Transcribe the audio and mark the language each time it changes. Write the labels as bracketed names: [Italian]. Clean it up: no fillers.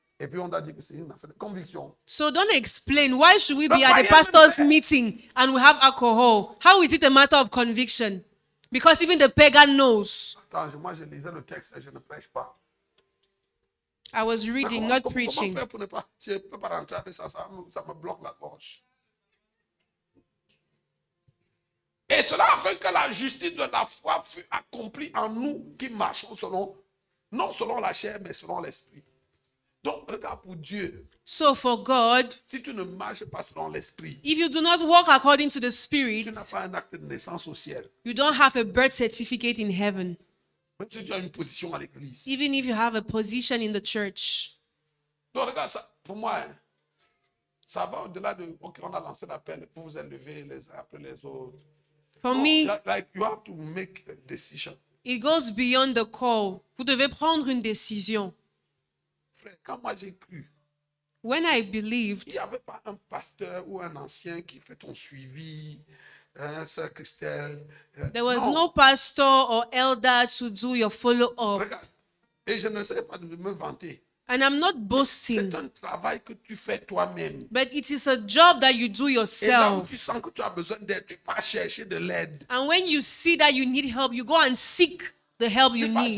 [French] Et puis on a dit que c'est une affaire de conviction. [English] So don't explain why should we be at the pastor's meeting and we have alcohol. How is it a matter of conviction? Because even the pagan knows. [French] Attends, moi je lisais le texte et je ne prêche pas. [English] I was reading, not preaching. [French] Comment faire pour ne pas rentrer avec ça, ça me bloque la gorge. Et cela afin que la justice de la foi fût accomplie en nous qui marchons selon Non selon la chair, mais selon l'esprit. Donc, regarde pour Dieu. [English] So for God, [French] si tu ne marches pas selon l'esprit, [English] if you do not walk according to the spirit, [French] tu n'as pas un acte de naissance au ciel. [English] You don't have a birth certificate in heaven. [French] Même si tu as une position à l'église. [English] Even if you have a position in the church. [French] Donc, regarde ça, pour moi, ça va au-delà de, ok, on a lancé l'appel, vous vous élevez les uns après les autres. [English] For me, like, you have to make a decision. It goes beyond the call. [French] Vous devez prendre une décision. Frère, quand moi j'ai cru, [English] when I believed, [French] il n'y avait pas un pasteur ou un ancien qui fait ton suivi, hein, Sœur Christelle. [English] There was no pastor or elder to do your follow-up. [French] Regarde, et je n'essaie pas de me vanter. [English] And I'm not boasting. [French] C'est un travail que tu fais toi-même. [English] But it is a job that you do yourself. [French] Et là où tu sens que tu as besoin d'aide, tu vas chercher de l'aide. [English] And when you see that you need help, you go and seek the help you need.